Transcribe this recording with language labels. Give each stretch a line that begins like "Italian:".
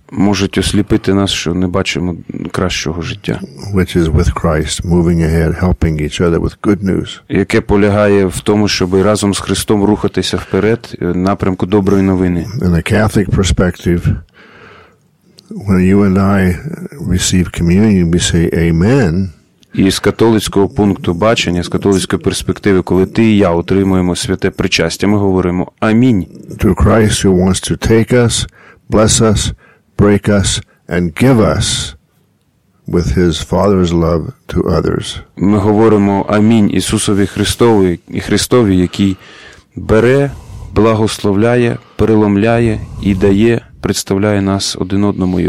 Ukrainian: Можуть осліпити нас, що не бачимо кращого життя.
English: Which is with Christ, moving ahead, helping each other with good news.
Ukrainian: Яке полягає в тому, щоб разом з Христом рухатися вперед напрямку доброї новини.
English: In a Catholic perspective, when you and I receive communion, we say amen.
Ukrainian: І з католицького пункту бачення, з католицької перспективи, коли ти і я отримуємо святе причастя, ми говоримо амінь.
English: To Christ who wants to take us, bless us, break us and give us with his father's love to others.
Ukrainian: Ми говоримо амінь Ісусові Христові, який бере, благословляє, переломляє і дає, представляє нас один одному і